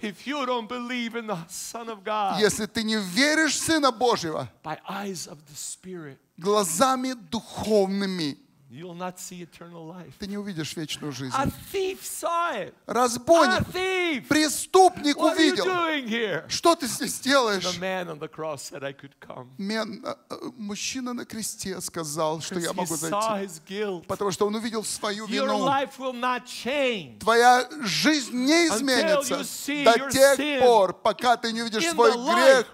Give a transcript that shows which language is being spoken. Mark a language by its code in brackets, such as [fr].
[en] If you don't believe in the Son of God, [ru] если ты не веришь в Сына Божьего, [en] by eyes of the Spirit, [ru] глазами духовными, [en] you'll not see eternal life. [ru] Ты не увидишь вечную жизнь. [en] A thief saw it. [ru] Разбойник, [en] a thief. [ru] Преступник [en] what [ru] увидел. [en] Are you doing here? [ru] Что ты здесь делаешь? [en] The man on the cross said I could come. [ru] Мужчина на кресте сказал, что я могу зайти. [en] He saw his guilt. [ru] Потому что он увидел свою [en] your [ru] вину. [en] Life will not change. [ru] Твоя жизнь не изменится [en] until you see [ru] до тех пор, пока ты не увидишь свой грех